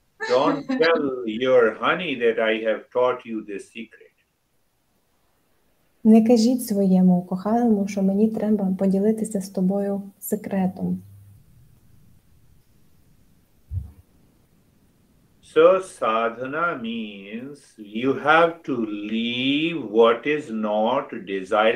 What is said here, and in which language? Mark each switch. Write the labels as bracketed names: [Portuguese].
[English] Don't tell your honey that I have taught you this secret. [Ukrainian] Не кажіть своєму коханому, що мені треба поділитися з тобою секретом. [English] So sadhana means you have to leave what is not desired.